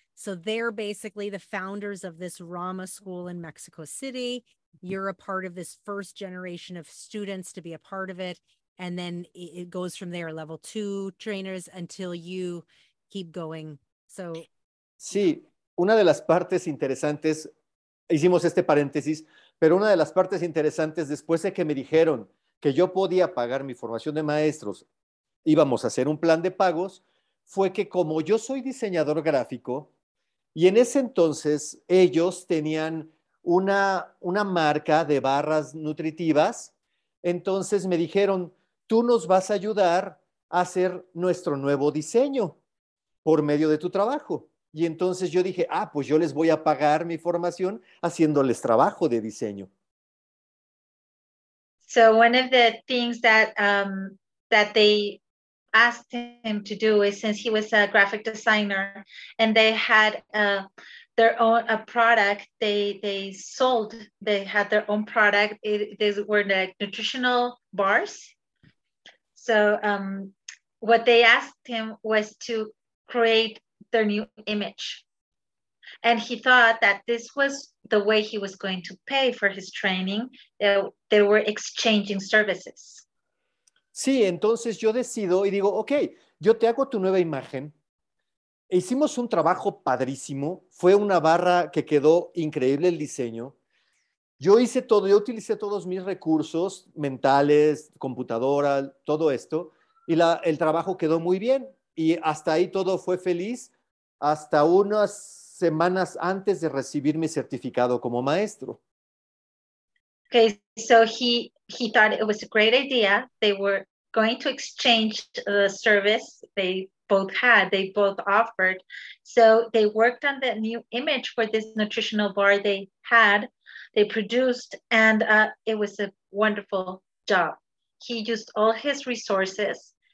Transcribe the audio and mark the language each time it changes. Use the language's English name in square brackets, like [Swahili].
[English] So they're basically the founders of this Rama school in Mexico City. You're a part of this first generation of students to be a part of it. And then it goes from there, level two trainers, until you keep going. So, [Spanish] sí, una de las partes interesantes, hicimos este paréntesis, pero una de las partes interesantes después de que me dijeron que yo podía pagar mi formación de maestros, íbamos a hacer un plan de pagos, fue que como yo soy diseñador gráfico, y en ese entonces ellos tenían una marca de barras nutritivas, entonces me dijeron, tú nos vas a ayudar a hacer nuestro nuevo diseño por medio de tu trabajo. Y entonces yo dije, ah, pues yo les voy a pagar mi formación haciéndoles trabajo de diseño. [English] So one of the things that that they asked him to do is, since he was a graphic designer and they had their own product, they sold, they had their own product. These were the nutritional bars. So what they asked him was to create their new image. And he thought that this was the way he was going to pay for his training. They were exchanging services. [Spanish] Sí, entonces yo decido y digo, ok, yo te hago tu nueva imagen. Hicimos un trabajo padrísimo. Fue una barra que quedó increíble el diseño. Yo hice todo, yo utilicé todos mis recursos mentales, computadora, todo esto. Y el trabajo quedó muy bien. Y hasta ahí todo fue feliz. Hasta unas semanas antes de recibir mi certificado como maestro. [English] Okay, so he thought it was a great idea. They were going to exchange the service they both had, they both offered. So they worked on the new image for this nutritional bar they had, they produced, and it was a wonderful job. He used all his resources